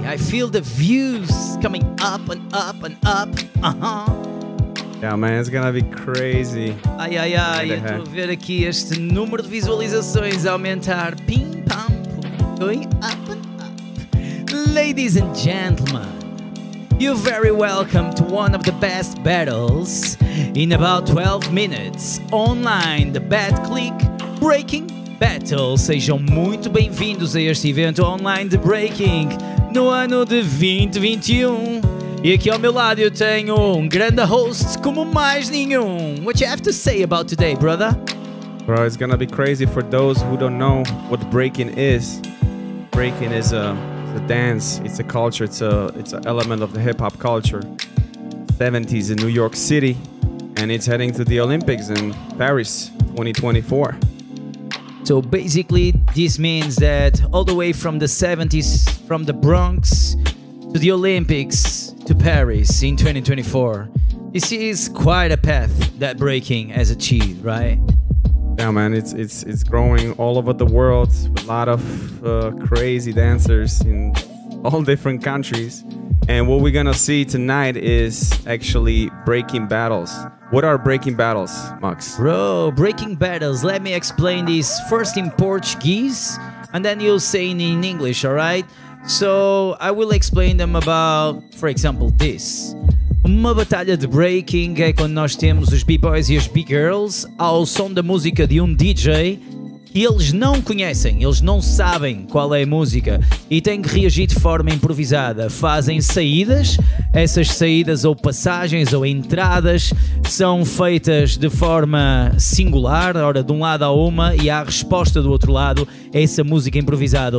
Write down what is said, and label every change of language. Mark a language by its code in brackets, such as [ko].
[en] I feel the views coming up and up and up. Uh-huh. Yeah, man, it's gonna be crazy. [pt] Ai, ai, ai, eu estou a ver aqui este número de visualizações aumentar. [en] Pim, pam, pum, going up and up. Ladies and gentlemen, you're very welcome to one of the best battles in about 12 minutes online, the Betclic Breaking Battle. [pt] Sejam muito bem-vindos a este evento online de Breaking no ano de 2021. E aqui ao meu lado eu tenho um grande host como mais nenhum. [en] What you have to say about today, brother? Bro, it's gonna be crazy for those who don't know what breaking is. Breaking is a dance, it's a culture, it's an element of the hip-hop culture. 70s in New York City, and it's heading to the Olympics in Paris 2024. So basically, this means that all the way from the 70s, from the Bronx to the Olympics, to Paris in 2024. This is quite a path that breaking has achieved, right? Yeah, man, it's growing all over the world. A lot of crazy dancers in all different countries. And what we're gonna see tonight is actually breaking battles. What are breaking battles, Max? Bro, breaking battles. Let me explain this first in Portuguese, and then you'll say it in English, all right? So, I will explain them about, for example, this. [pt] Uma batalha de breaking é quando nós temos os b-boys e os b-girls ao som da música de DJ que eles não conhecem, eles não sabem qual é a música e têm que reagir de forma improvisada. Fazem saídas, essas saídas ou passagens ou entradas são feitas de forma singular, ora, de um lado a uma e há a resposta do outro lado, essa música improvisada.